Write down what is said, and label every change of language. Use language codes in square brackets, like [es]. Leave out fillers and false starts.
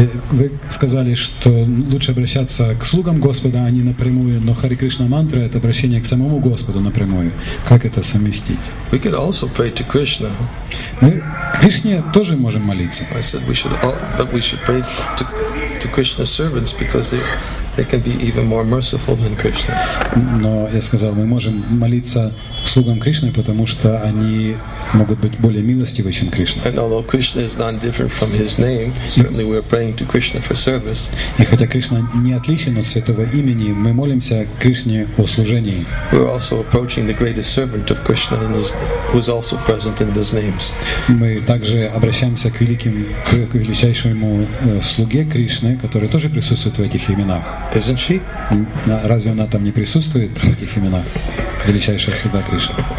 [ru] Вы сказали, что лучше обращаться к слугам Господа, а не напрямую, но Хари Кришна мантра — это обращение к самому Господу напрямую. Как это совместить? [en] We could also pray to Krishna. [ru] Мы к Кришне тоже можем молиться. [en] I said we should all, but we should pray to Krishna's servants because they can be even more merciful than Krishna. [ru] Но я сказал, мы можем молиться слугам Кришны, потому что они могут быть более милостивы, чем Кришна. [en] And although Krishna is not different from his name, certainly we are praying to Krishna for service. [ru] И хотя Кришна не отличен от святого имени, мы молимся Кришне о служении. [en] We are also approaching the greatest servant of Krishna, who is also present in those names. [ru] Мы также обращаемся к величайшему слуге Кришны, который тоже присутствует в этих именах. [en] Isn't she? [ru] Разве она там не присутствует в этих именах? Величайшая слуга Кришны.